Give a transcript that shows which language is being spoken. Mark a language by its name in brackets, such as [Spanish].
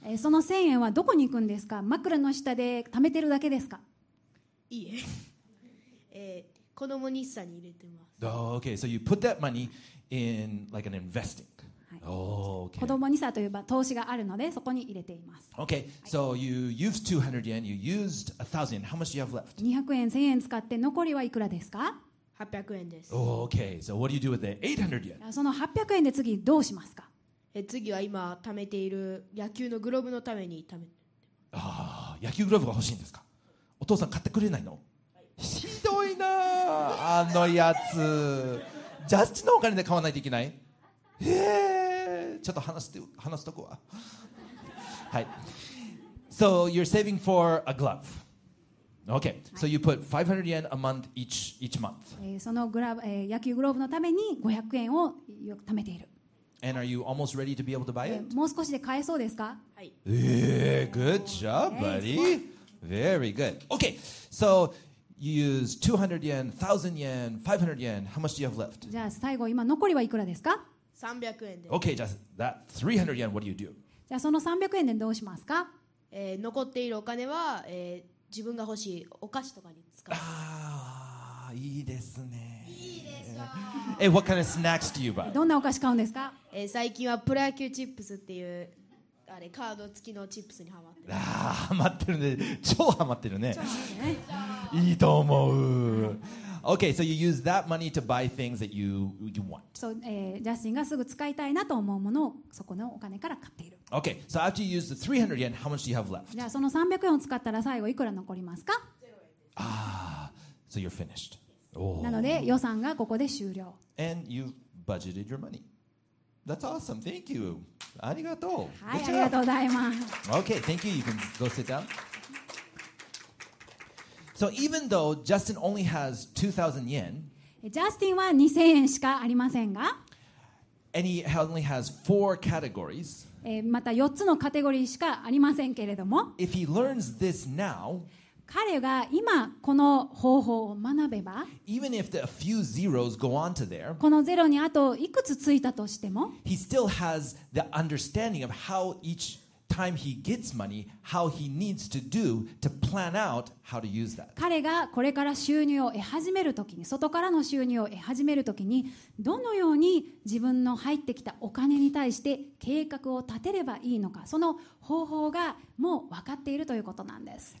[Japanese] その1000円はどこに行くんですか？枕の下で貯めてるだけですか？いいえ。子供日産に入れてます。 [English] Oh, okay, so you put that money in like an investing. Oh, okay. [Japanese] 子供日産といえば投資があるのでそこに入れています。 [English] Okay, so you used 200 yen, you used 1000 yen. How much do you have left? [Japanese] 200円、1000円使って残りはいくらですか？ 800円です。 [English] Oh, okay, so what do you do with the 800 yen? [Japanese] その800円で次どうしますか？次は今貯めている野球のグローブのために貯めてます。ああ、野球グローブが欲しいんですか？お父さん買ってくれないの？ひどいなあのやつ。ジャッジのお金で買わないといけない。へえ。ちょっと話すとこは。はい。 [English] So you're saving for a glove. Okay.、はい、so you put 500 yen a month each month. [Japanese] そのグラブ、野球グローブのために500円を貯めている。 [English] And are you almost ready to be able to buy it? [Japanese] もう少しで買えそうですか？はい。 [English] Good job, buddy. Very good. Okay. So. You use 200 yen, 1000 yen, 500 yen. How much do you have left? [Japanese] じゃあ最後今残りはいくらですか？ 300円です [English] 。 Okay, just that 300 yen. What do you do? [Japanese] じゃあその300円でどうしますか？残っているお金は、自分が欲しいお菓子とかに使う。ああ、いいですね。いいでしょ。 [English] What kind of snacks do you buy? [Japanese] どんなお菓子買うんですか？最近はプロ野球チップスっていう。あれカード付きのチップスにハマってる。ああハマってるね。超ハマってるね。ね。いいと思う。 [English] Okay, so you use that money to buy things that you want. [Japanese] So, ジャスティンがすぐ使いたいなと思うものをそこのお金から買っている。 [English] Okay, so after you use the 300 yen, how much do you have left? [Japanese] じゃあその300円を使ったら最後いくら残りますか？ [English] ああ、so you're finished. [Japanese] なので予算がここで終了。 [English] And you budgeted your money. That's awesome. Thank you. [Japanese] ありがとう。はい、ありがとうございます。 [English] Okay, thank you. You can go sit down. So even though Justin only has 2,000 yen, [Japanese] Justin は2000円しかありませんが、 [English] and he only has four categories. [Japanese] また4つのカテゴリーしかありませんけれども、 [English] if he learns this now, [Japanese] 彼が今この方法を学べば、 [English] even if the few zeros go on to there, [Japanese] このゼロにあといくつついたとしても、 [English] he still has the understanding of how each time he gets money, how he needs to do to plan out how to use that. [Japanese] 彼がこれから収入を得始めるときに、外からの収入を得始めるときに、どのように自分の入ってきたお金に対して計画を立てればいいのか、その方法がもう分かっているということなんです。